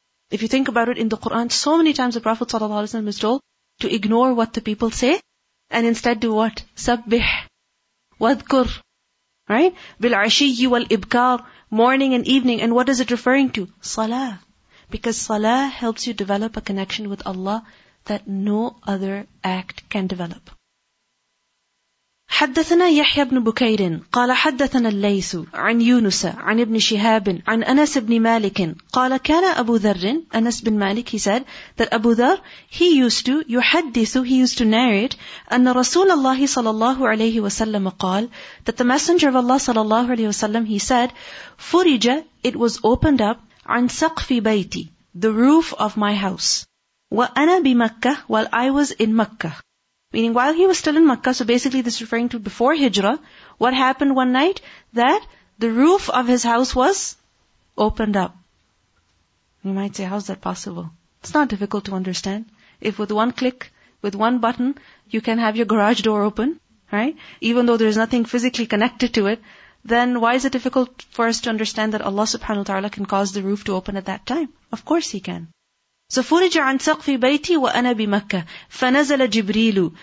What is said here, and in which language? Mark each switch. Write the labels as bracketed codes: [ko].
[en] If you think about it in the Quran, so many times the Prophet ﷺ is told to ignore what the people say and instead do what? [ar] سَبِّحْ وَذْكُرْ. [en] Right? [ar] بِالْعَشِيِّ وَالْإِبْكَارِ. [en] Morning and evening. And what is it referring to? Salah. Because salah helps you develop a connection with Allah that no other act can develop. [ar] حدثنا يحيى بن بكير قال حدثنا الليث عن يونس عن ابن شهاب عن أنس بن مالك قال كان أبو ذر أنس بن مالك [en] he said that [ar] أبو ذر [en] he used to narrate [ar] أن رسول الله صلى الله عليه وسلم قال [en] that the messenger of Allah [ar] صلى الله عليه وسلم [en] he said [ar] فرج [en] it was opened up [ar] عن سقف بيتي [en] the roof of my house [ar] وأنا بمكة [en] while I was in [ar] مكة. [en] Meaning while he was still in Makkah, so basically this is referring to before Hijrah, what happened one night? That the roof of his house was opened up. You might say, how's that possible? It's not difficult to understand. If with one click, with one button, you can have your garage door open, right? Even though there is nothing physically connected to it, then why is it difficult for us to understand that Allah subhanahu wa ta'ala can cause the roof to open at that time? Of course He can. [ar] So فرج عن سقف بيتي وأنا بمكة فنزل جبريل.